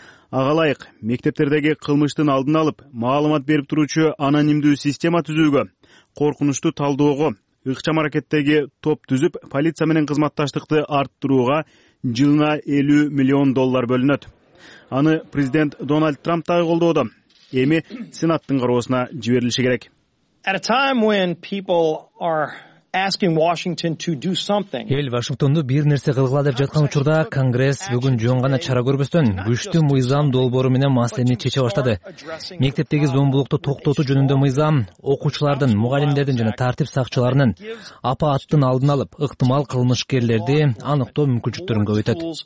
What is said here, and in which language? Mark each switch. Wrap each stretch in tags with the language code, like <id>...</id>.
<ky>Ага ылайык, мектептердеги кылмыштын алдын алып, маалымат берип туруучу анонимдүү система түзүүгө, коркунучту талдоого, ыкчам аракеттеги топ түзүп, полиция менен кызматташтыкты арттырууга жылына 50 миллион доллар бөлүнөт. Аны президент Дональд Трамп дагы колдоодо. Эми Сенаттын кароосуна жиберилиши керек.</ky> <en>At a time when people are asking Washington to do something.</en> <ky>Эл Вашингтонду бир нерсе кылгыла деп жаткан учурда Конгресс бүгүн жөн гана чара көрбөстөн күчтүү мыйзам долбоору менен маселени чече баштады. Мектептеги зомбулукту токтотуу жөнүндө мыйзам окуучулардын, мугалимдердин жана тартип сакчыларынын апааттын алдын алып, ыктымал кылмышкерлерди аныктоо мүмкүнчүлүктөрүн көбөйтөт.</ky>